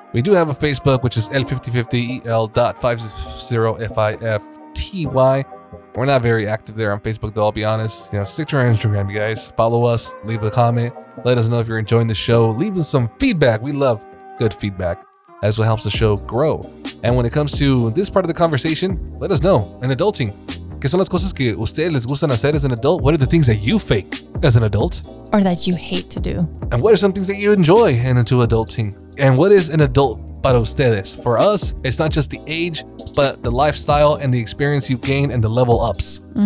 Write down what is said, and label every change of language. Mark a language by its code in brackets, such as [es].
[en] We do have a Facebook, which is L5050EL.50FIFTY. We're not very active there on Facebook, though, I'll be honest. You know, stick to our Instagram, you guys. Follow us, leave a comment, let us know if you're enjoying the show. Leave us some feedback. We love good feedback. That's what helps the show grow. And when it comes to this part of the conversation, let us know in adulting. [es] ¿Qué son las cosas que ustedes les gustan hacer [en] as an adult? What are the things that you fake as an adult? Or that you hate to do? And what are some things that you enjoy into adulting? And what is an adult [es] para ustedes? [en] For us, it's not just the age, but the lifestyle and the experience you gain and the level ups.